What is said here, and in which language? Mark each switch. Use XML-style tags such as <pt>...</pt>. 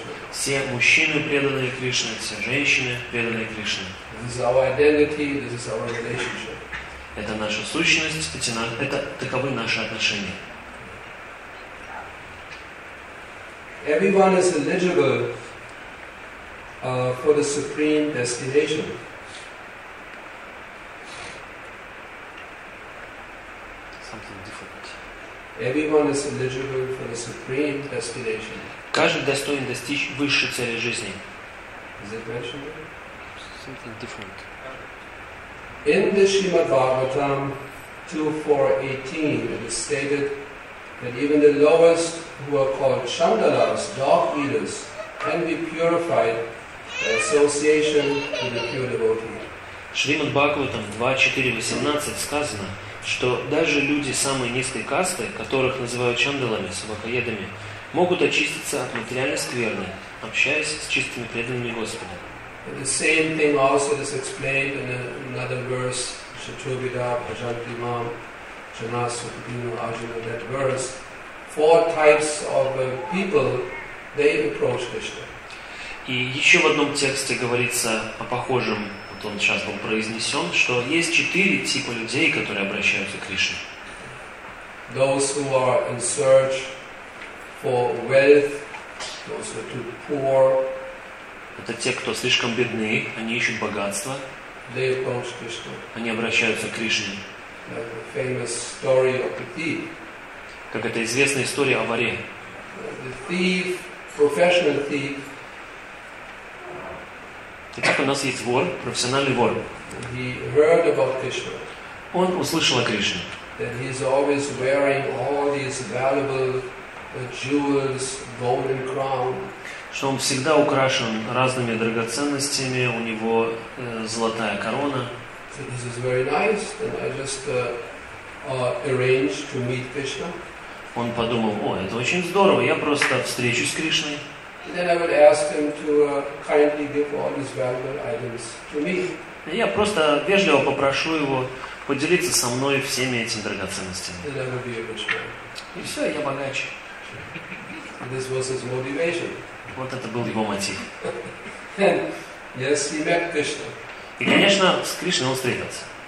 <ru>Все мужчины преданные Кришне, все женщины преданные Кришне.</ru> <en>This is our identity, this is our relationship.</en> <ru>Это наша сущность, это таковы наши отношения.</ru> <en>Everyone is eligible for the supreme destination. Something different. Everyone is eligible for the supreme destination.</en> <ru>Каждый достоин достичь высшей цели жизни.</ru> <en>Is it mentioned? Something different. In the Srimad Bhagavatam 2.4.18, it is stated that even the lowest who are called chandalas, dog eaters, can be purified by association with a pure devotee.</en> <ru>Шримад Бхагаватам 2.4.18 сказано, что даже люди самой низкой касты, которых называют чандалами, собакоедами, могут очиститься от материальной скверны, общаясь с чистыми преданными Господа.</ru> <en>And the same thing also is explained in another verse, Shatrubhida, Pajanti Mam. That verse, four types of people, they approach Krishna.</en> <ru>И еще в одном тексте говорится о похожем, вот он сейчас был произнесен, что есть четыре типа людей, которые обращаются к Кришне.</ru> <en>Those who are in search for wealth, those who are too poor.</en> <ru>Это те, кто слишком бедны, они ищут богатство.</ru> <en>They approach Krishna.</en> <ru>Они обращаются к Кришне.</ru> <en>Like a famous story of the thief.</en> <ru>Как это известная история о воре.</ru> <en>The thief, professional thief.</en> <ru>Итак, у нас есть вор, профессиональный вор.</ru> <en>He heard about Krishna.</en> <ru>Он услышал о Кришне.</ru> <en>That he is always wearing all these valuable jewels, golden crown.</en> <ru>Что он всегда украшен разными драгоценностями, у него золотая корона.</ru> <en>So this is very nice, and I just arranged to meet Krishna.</en> <ru>Он подумал, о, это очень здорово, я просто встречусь с Кришной.</ru> <en>And then I would ask him to kindly give all these valuable items to me.</en> <ru>Я просто вежливо попрошу его поделиться со мной всеми этими драгоценностями.</ru> <en>And I would be a rich man.</en> <ru>И все, я богач.</ru> <en>And this was his motivation.</en> <ru>Вот это был его мотив.</ru> <en>And yes, he met Krishna.</en> <ru>И, конечно, с Кришной он встретился.</ru>